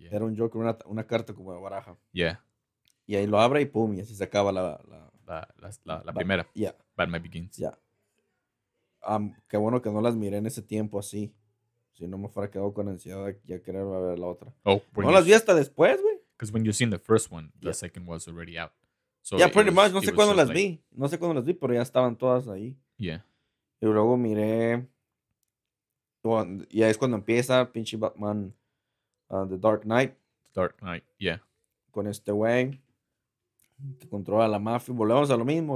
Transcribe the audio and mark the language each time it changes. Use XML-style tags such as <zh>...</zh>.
<es>Era un Joker, una carta como de baraja.</es> <en>Yeah.</en> <es>Y ahí lo abre y pum, y así se acaba la primera.</es> <en>Yeah. Batman Begins. Yeah.</en> <es>Qué bueno que no las miré en ese tiempo así. Si no me fuera quedado con ansiedad de ya querer ver la otra. Oh, no las vi hasta después, güey.</es> <en>Because when you seen the first one, the second was already out. So yeah, pretty much.</en> <es>No sé cuándo las vi. No sé cuándo las vi, pero ya estaban todas ahí.</es> <en>Yeah.</en> <es>Y luego miré... Y ahí es cuando empieza pinche Batman The Dark Knight.</es> <en>Dark Knight, yeah.</en> <es>Con este güey que controla la mafia. Volvemos a lo mismo.</es>